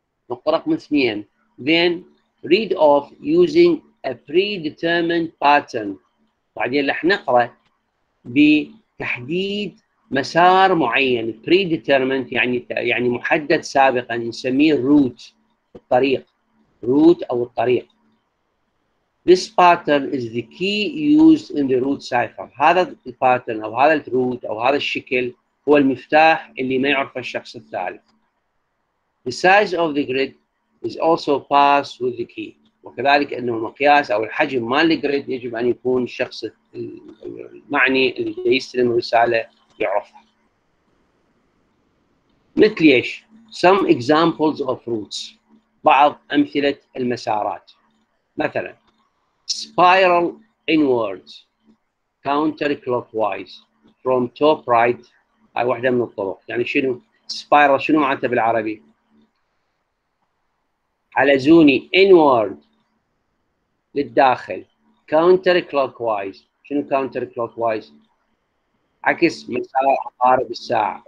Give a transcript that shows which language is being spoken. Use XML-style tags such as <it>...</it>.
<ar>نقطة رقم اثنين</ar> <en>then read off using a predetermined pattern</en> <ar>بعدين رح نقرأ بتحديد مسار معين</ar> <en>predetermined</en> <ar>يعني محدد سابقا نسميه</ar> <en>route</en> <ar>الطريق</ar> <en>route</en> <ar>أو الطريق</ar> <en>This pattern is the key used in the root cipher.</en> <ar>هذا pattern أو هذا الروت أو هذا الشكل هو المفتاح اللي ما يعرفه الشخص الثالث.</ar> <en>The size of the grid is also passed with the key.</en> <ar>وكذلك أنه المقياس أو الحجم مال الجريد يجب أن يكون الشخص المعني اللي يستلم الرسالة يعرفها. مثل إيش؟</ar> <en>Some examples of routes.</en> <ar>بعض أمثلة المسارات. مثلاً.</ar> <en>Spiral inwards, counterclockwise, from top right.</en> <ar>هاي واحدة من الطرق. يعني شنو؟ Spiral شنو معناته بالعربي؟ حلزوني inward للداخل.</ar> <en>Counterclockwise.</en> <ar>شنو counterclockwise؟ عكس مسار عقارب الساعة.</ar>